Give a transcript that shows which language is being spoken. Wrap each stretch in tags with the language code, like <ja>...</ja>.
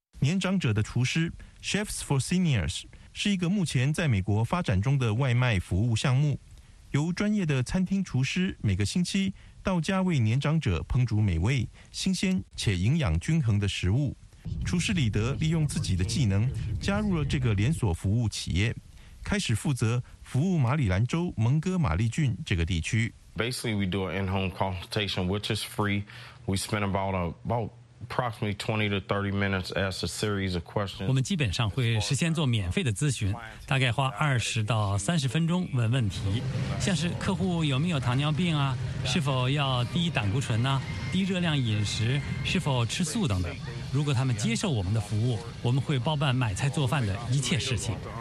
<zh>年长者的厨师 Chefs for Seniors 是一个目前在美国发展中的外卖服务项目，由专业的餐厅厨师每个星期到家为年长者烹煮美味、新鲜且营养均衡的食物。厨师李德利用自己的技能加入了这个连锁服务企业，开始负责服务马里兰州蒙哥马利郡这个地区。</zh> <en>Basically, we do an in-home consultation, which is free. We spend about approximately 20 to 30 minutes as a series of questions.</en> <zh>我们基本上会事先做免费的咨询，大概花20到30分钟问问题，像是客户有没有糖尿病啊，是否要低胆固醇啊，低热量饮食，是否吃素等等。如果他们接受我们的服务，我们会包办买菜做饭的一切事情。</zh>